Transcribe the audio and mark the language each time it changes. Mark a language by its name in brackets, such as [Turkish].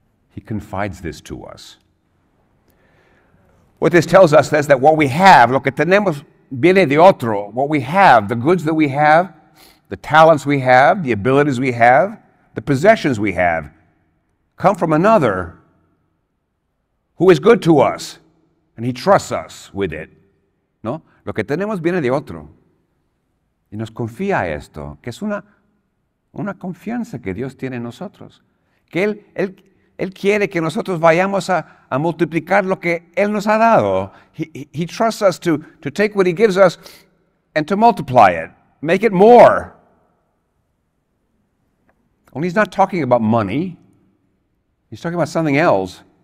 [English] He confides this to us. What this tells us is that what we have, [Spanish] lo que tenemos viene de otro, [English] what we have, the goods that we have, the talents we have, the abilities we have, the possessions we have, come from another who is good to us, and he trusts us with it. [Spanish] No? Lo que tenemos viene de otro. Y nos confía esto, que es una confianza que Dios tiene en nosotros. Que él quiere que nosotros vayamos a multiplicar lo que él nos ha dado. [English] He trusts us to take what he gives us and to multiply it, make it more. Only he's not talking about money. He's talking about something else.